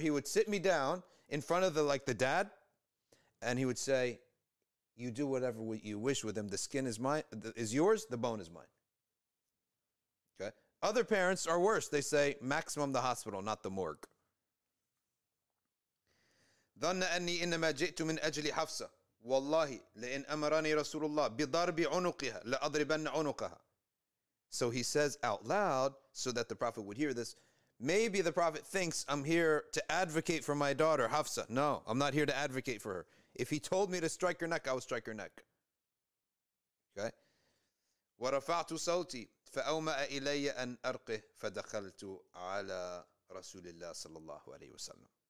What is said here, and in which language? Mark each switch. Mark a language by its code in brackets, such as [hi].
[en] He would sit me down in front of the dad, and he would say, you do whatever you wish with him. The skin is yours, the bone is mine. Other parents are worse. They say, maximum the hospital, not the morgue. [ar] ظن أني إنما جئت من أجل حفصة. والله لئن أمرني رسول الله بضرب عنقها لأضربن عنقها. [en] So he says out loud, so that the Prophet would hear this, maybe the Prophet thinks I'm here to advocate for my daughter, Hafsa. No, I'm not here to advocate for her. If he told me to strike her neck, I would strike her neck. Okay? [ar] ورفعت صوتي. فَأَوْمَأَ إِلَيَّ أَنْ أَرْقِهِ فَدَخَلْتُ عَلَى رَسُولِ اللَّهِ صَلَى اللَّهُ عَلَيْهِ وَسَلَّمُ.